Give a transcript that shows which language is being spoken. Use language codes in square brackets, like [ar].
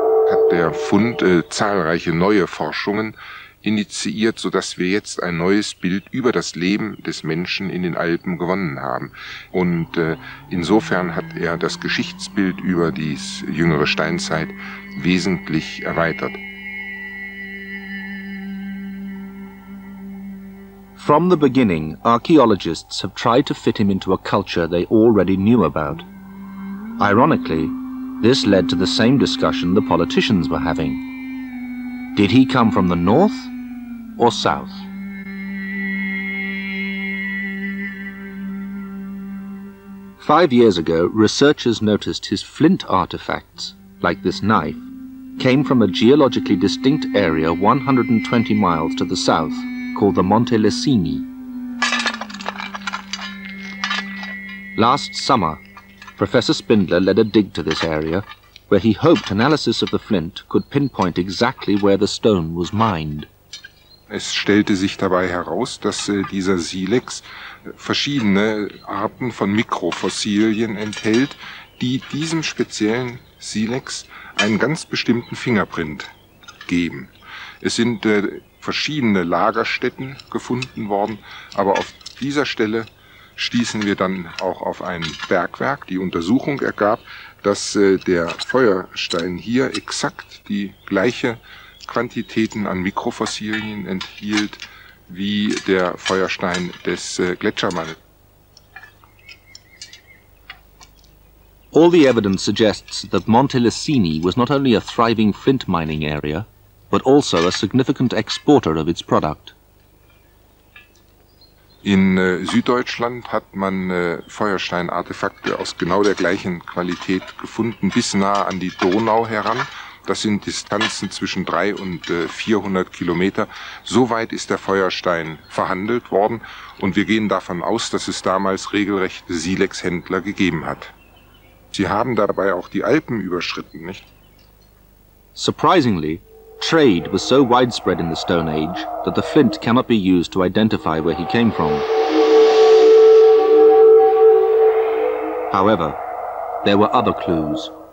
[de] Hat der Fund zahlreiche neue Forschungen initiiert, sodass wir jetzt ein neues Bild über das Leben des Menschen in den Alpen gewonnen haben. Und insofern hat das Geschichtsbild über die jüngere Steinzeit wesentlich erweitert. [en] From the beginning, archaeologists have tried to fit him into a culture they already knew about. Ironically, this led to the same discussion the politicians were having. Did he come from the north or south? Five years ago, researchers noticed his flint artifacts, like this knife, came from a geologically distinct area 120 miles to the south, called the Monte Licini. Last summer, Professor Spindler led a dig to this area where he hoped analysis of the flint could pinpoint exactly where the stone was mined. [de] Es stellte sich dabei heraus, dass dieser Silex verschiedene Arten von Mikrofossilien enthält, die diesem speziellen Silex einen ganz bestimmten Fingerprint geben. Es sind verschiedene Lagerstätten gefunden worden, aber auf dieser Stelle stießen wir dann auch auf ein Bergwerk. Die Untersuchung ergab, dass der Feuerstein hier exakt die gleiche Quantitäten an Mikrofossilien enthielt wie der Feuerstein des Gletschermantels. [en] All the evidence suggests that Monte Licini was not only a thriving flint mining area, but also a significant exporter of its product. [de] In Süddeutschland hat man Feuerstein-Artefakte aus genau der gleichen Qualität gefunden, bis nahe an die Donau heran. Das sind Distanzen zwischen 300 und 400 Kilometer. So weit ist der Feuerstein verhandelt worden. Und wir gehen davon aus, dass es damals regelrecht Silex-Händler gegeben hat. Sie haben dabei auch die Alpen überschritten, nicht? [en] Surprisingly, trade was so widespread in the Stone Age that the flint cannot be used to identify where he came from. However, there were other clues.